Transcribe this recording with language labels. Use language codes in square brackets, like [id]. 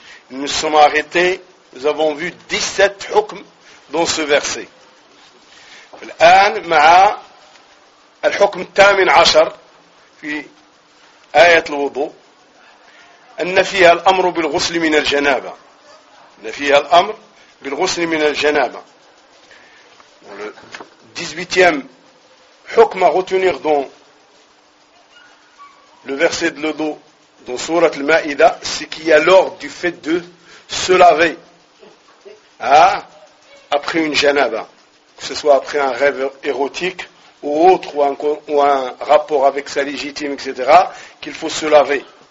[fr] Nous sommes arrêtés, nous avons vu 17 hukm dans ce verset. [ar] Al-An ma'a al-hukm tamin ashar fi آية الوضوء، أن فيها الأمر بالغسل من الجنابة، أن فيها الأمر بالغسل من الجنابة. [fr] Le 18e حكم à retenir dans le verset de l'eau dans Sourate Al-Ma'ida, c'est qu'il y a l'ordre du fait de se laver après une janaba, que ce soit après un rêve érotique ou autre, ou un rapport avec sa légitime, etc., qu'il faut se laver.